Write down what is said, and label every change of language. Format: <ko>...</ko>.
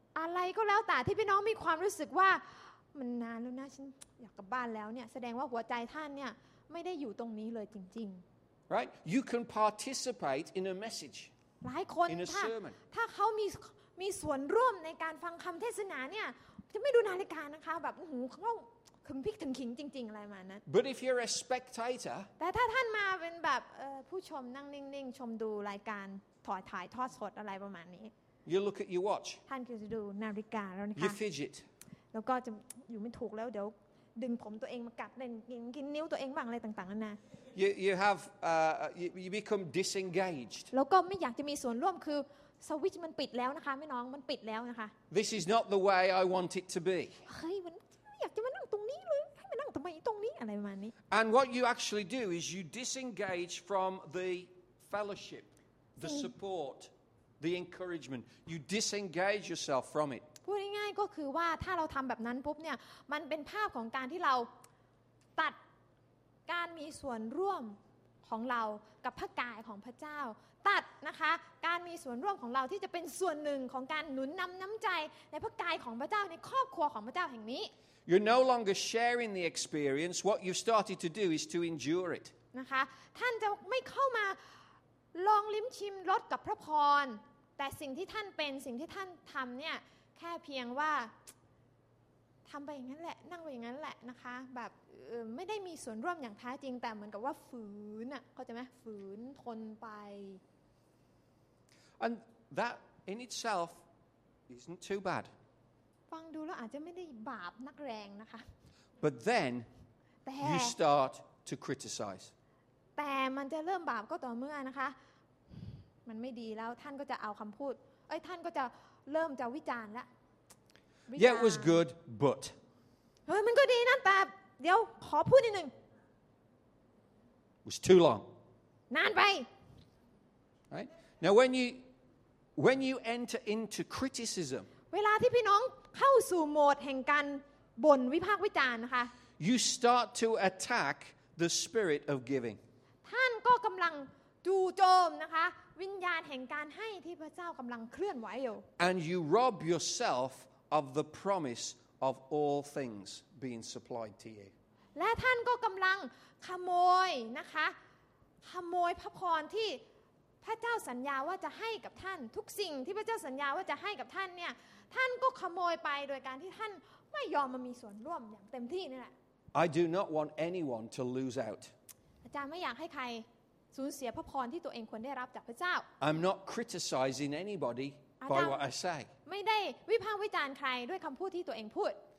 <th>อะไรก็แล้วแต่ที่พี่น้องมีความรู้สึกว่ามันนานแล้วนะฉันอยากกลับบ้านแล้วเนี่ยแสดงว่าหัวใจท่านเนี่ยไม่ได้อยู่ตรงนี้เลยจริง</th> <en>ๆ Right? You can participate in a message.</en> <th>หลายคนถ้าเขามีส่วนร่วมในการฟังคำเทศนาเนี่ยจะไม่ดูนาฬิกานะคะแบบโอ้โหเขาขึงพิกถึงขิงจริงๆอะไรมานั้น</th> <en>But if you're a spectator</en> <th>แต่ถ้าท่านมาเป็นแบบผู้ชมนั่งนิ่งๆชมดูรายการถ่ายทอดสดอะไรประมาณนี้</th> <en>You look at your watch</en> <th>ท่านก็จะดูนาฬิกาแล้วนะคะ</th> <en>You fidget</en> <th>แล้วก็จะอยู่ไม่ถูกแล้วเดี๋ยวดึงผมตัวเองมากัดเล่นกินนิ้วตัวเองบ้างอะไรต่างๆนานา</th> <en>You have you become disengaged</en> <th>แล้วก็ไม่อยากจะมีส่วนร่วมคือสวิตช์มันปิดแล้วนะคะพี่น้องมันปิดแล้วนะคะ</th> <en>This is not the way I want it to be</en> <th>เฮ้ยมันอยากจะมานั่งตรงนี้เลยให้มานั่งทำไมตรงนี้อะไรประมาณนี้</th> <en>And what you actually do is you disengage from the fellowship the support the encouragement you disengage yourself from it</en> <th>พูดง่ายๆก็คือว่าถ้าเราทำแบบนั้นปุ๊บเนี่ยมันเป็นภาพของการที่เราตัดการมีส่วนร่วม ของเรากับพระกายของพระเจ้าตัดนะคะการมีส่วนร่วมของเราที่จะเป็นส่วนหนึ่งของการหนุนนำน้ำใจในพระกายของพระเจ้าในครอบครัวของพระเจ้าแห่งนี้</th> <en>You're no longer sharing the experience. What you've started to do is to endure it.</en> <th>นะคะท่านจะไม่เข้ามาลองลิ้มชิมรสกับพระพรแต่สิ่งที่ท่านเป็นสิ่งที่ท่านทำเนี่ยแค่เพียงว่าทำไปอย่างนั้นแหละนั่งไปอย่างนั้นแหละนะคะแบบไม่ได้มีส่วนร่วมอย่างแท้จริงแต่เหมือนกับว่าฝืนอ่ะเข้าใจไหมฝืนทนไป</th> <en>and that in itself isn't too bad</en> <th>ฟังดูแล้วอาจจะไม่ได้บาปนักแรงนะคะ</th> <en>but then you start to criticize</en> <th>แต่มันจะเริ่มบาปก็ต่อเมื่อนะคะมันไม่ดีแล้วท่านก็จะเอาคำพูดเอ้ยท่านก็จะเริ่มจะวิจารณ์ละ</th> <en>yeah it was good but</en> <th>เฮ้ยมันก็ดีนะแต่เดี๋ยวขอพูดนิดนึง</th> <en>it was too long</en> <th>นานไป</th> <en>right now when you enter into criticism</en> <th>เวลาที่พี่น้องเข้าสู่โหมดแห่งการบ่นวิพากษ์วิจารณ์นะคะ</th> <en>you start to attack the spirit of giving</en> <th>ท่านก็กำลังจู่โจมนะคะวิญญาณแห่งการให้ที่พระเจ้ากำลังเคลื่อนไหวอยู่</th> <en>And you rob yourself of the promise of all things being supplied to you</en> <th>และท่านก็กำลังขโมยนะคะขโมยพระพรที่พระเจ้าสัญญาว่าจะให้กับท่านทุกสิ่งที่พระเจ้าสัญญาว่าจะให้กับท่านเนี่ยท่านก็ขโมยไปโดยการที่ท่านไม่ยอมมามีส่วนร่วมอย่างเต็มที่นี่แหละ</th> <en>I do not want anyone to lose out</en> <th>อาจารย์ไม่อยากให้ใครสูญเสียพระพรที่ตัวเองควรได้รับจากพระเจ้า</th> <en>I'm not criticizing anybody by what I say</en> <th>ไม่ได้วิพากษ์วิจารณ์ใครด้วยคำพูดที่ตัวเองพูด</th>